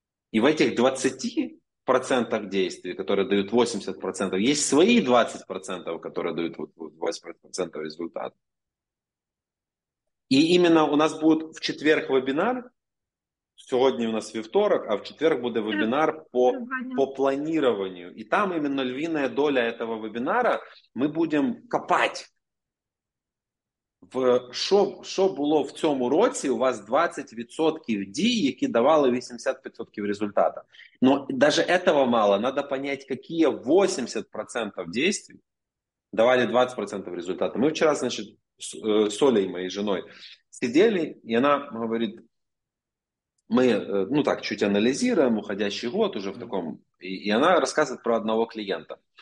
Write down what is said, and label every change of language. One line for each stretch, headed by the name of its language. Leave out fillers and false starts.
Russian: И в этих 20% действий, которые дают 80%, есть свои 20%, которые дают 80% результата. И именно у нас будет в четверг вебинар. Сегодня у нас во вторник, а в четверг будет вебинар по планированию. И там именно львиная доля этого вебинара мы будем копать.
Ukrainian: Що було в цьому році, у вас 20% дій, які давали 80% результату.
Russian: Но даже этого мало, надо понять, какие 80% действий давали 20% результата. Мы вчера, значит, с Олей, моей женой, сидели, и она говорит, мы, ну так, чуть анализируем уходящий год уже в таком, и она рассказывает про одного клиента.